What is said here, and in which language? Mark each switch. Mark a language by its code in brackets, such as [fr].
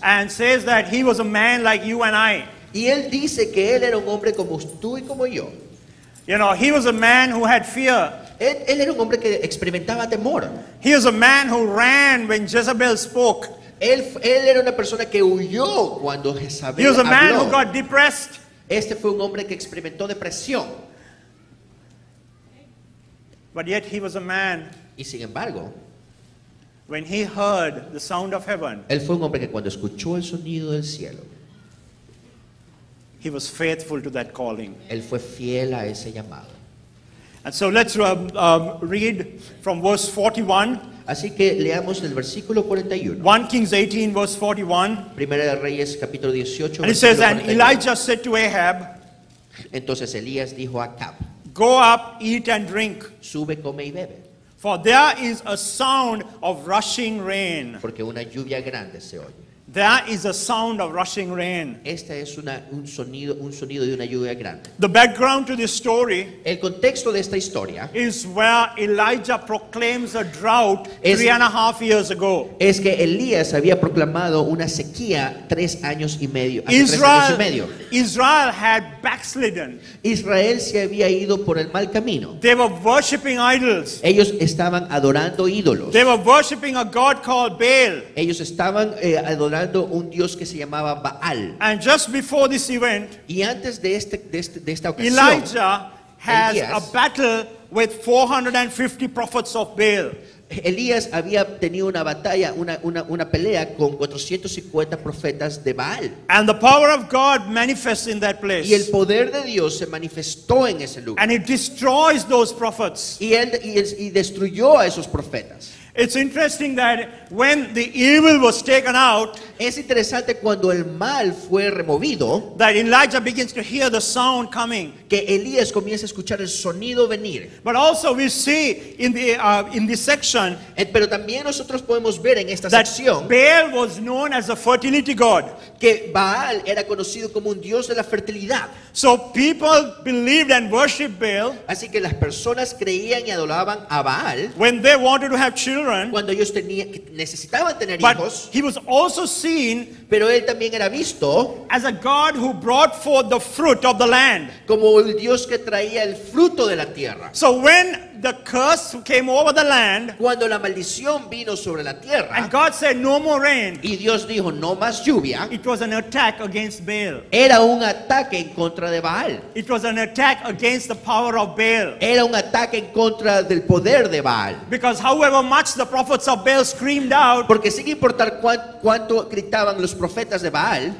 [en] And says that he was a man like you and I. [es] Y él dice que él era un hombre como tú y como yo. [en] You know, he was a man who had fear. [es] Él era un hombre que experimentaba temor. [en] He was a man who ran when Jezebel spoke. [es] Él era una persona que huyó cuando Jezabel habló. [en] He was a man who got depressed. [es] Este fue un hombre que experimentó depresión. [en] But yet he was a man. [es] Y sin embargo, [en] when he heard the sound of heaven, [es] él fue un hombre que cuando escuchó el sonido del cielo, [en] he was faithful to that calling. [es] Él fue fiel a ese llamado. [en] And so let's read from verse 41. [es] Así que leamos el versículo 41. [en] 1 Kings 18 verse 41. [es] Primera de Reyes capítulo 18. [en] And it says, and Elijah said to Ahab. [es] Entonces Elías dijo a Acab. [en] Go up, eat and drink. [es] Sube, come y bebe. [en] For there is a sound of rushing rain. [es] Porque una lluvia grande se oye. [en] There is a sound of rushing rain. [es] Esta es un sonido de una lluvia grande. [en] The background to this story, [es] el contexto de esta historia, [en] is where Elijah proclaims a drought three and a half years ago. [es] Es que Elías había proclamado una sequía 3 años y medio. [en] Israel had backslidden. [es] Israel se había ido por el mal camino. [en] They were worshiping idols. [es] Ellos estaban adorando ídolos. [en] They were worshiping a god called Baal. [es] Ellos estaban adorando un dios que se llamaba Baal. [en] And just before this event, [es] y antes de esta ocasión, [en] Elijah has a battle with 450 prophets of Baal. [es] Elías había tenido una batalla, una pelea con 450 profetas de Baal. [en] And the power of God manifests in that place. [es] Y el poder de Dios se manifestó en ese lugar. [en] And he destroys those prophets. [es] Y destruyó a esos profetas. [en] It's interesting that when the evil was taken out, [es] es interesante cuando el mal fue removido, [en] that Elijah begins to hear the sound coming, [es] que Elías comienza a escuchar el sonido venir. [en] But also we see in the section, [es] pero también nosotros podemos ver en esta sección, [en] that Baal was known as a fertility god, [es] que Baal era conocido como un dios de la fertilidad. [en] So people believed and worshiped Baal, [es] así que las personas creían y adoraban a Baal, [en] when they wanted to have children. [es] Cuando ellos necesitaban tener [en] but [es] hijos, [en] he was also seen, [es] pero él también era visto, [en] as a god who brought forth the fruit of the land, [es] como el dios que traía el fruto de la tierra. [en] So when the curse came over the land, [es] cuando la maldición vino sobre la tierra, [en] and God said no more rain, [es] y Dios dijo no más lluvia, [en] it was an attack against Baal. [es] Era un ataque en contra de Baal. [en] It was an attack against the power of Baal. [es] Era un ataque en contra del poder de Baal. [en] Because however much the prophets of Baal screamed out, [es] porque sin importar cuánto gritaban los profetas de Baal,